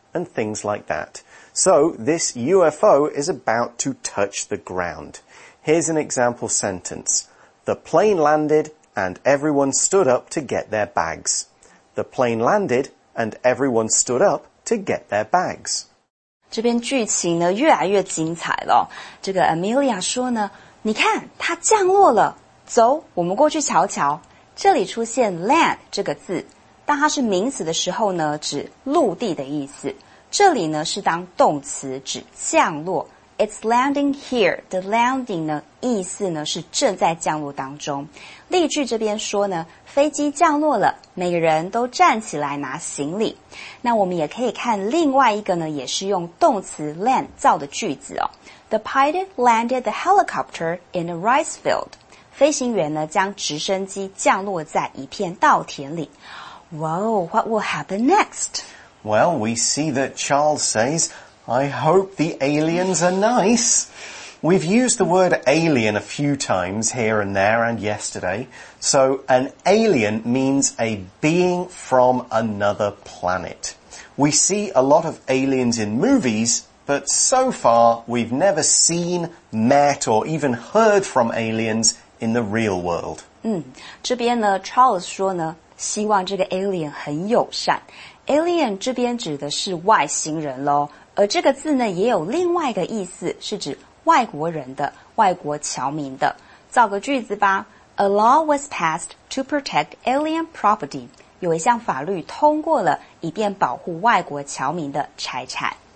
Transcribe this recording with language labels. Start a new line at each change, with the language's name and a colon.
English: And things like that. So, this UFO is about to touch the ground. Here's an example sentence. The plane landed and everyone stood up to get their bags. The plane landed and everyone stood up to get their bags.
Chinese: 这边剧情呢越来越精彩了。这个 Amelia 说呢，你看，它降落了。走，我们过去瞧瞧。这里出现 land 这个字，当它是名词的时候呢，指陆地的意思。这里呢是当动词，指降落。
English: It's landing here. The landing
Chinese: 呢，意思呢是正在降落当中。例句这边说呢，飞机降落了，每个人都站起来拿行李。那我们也可以看另外一个呢，也是用动词 land 造的句子哦。
English: The pilot landed the helicopter in a rice field.
Chinese: 飞行员呢将直升机降落在一片稻田里。
English: Whoa, what will happen next? Well, we see that Charles says, I hope the aliens are nice. We've used the word alien a few times here and there and yesterday. So an alien means a being from another planet. We see a lot of aliens in movies,But so far, we've never seen, met, or even heard from aliens in the real world.
Chinese: 这边呢 ,Charles 说呢,希望这个 alien 很友善。 Alien 这边指的是外星人咯，而这个字呢也有另外一个意思，是指外国人的、外国侨民的。造个句子吧。
English: A law was passed to protect alien property.
Chinese: 有一项法律通过了以便保护外国侨民的财产。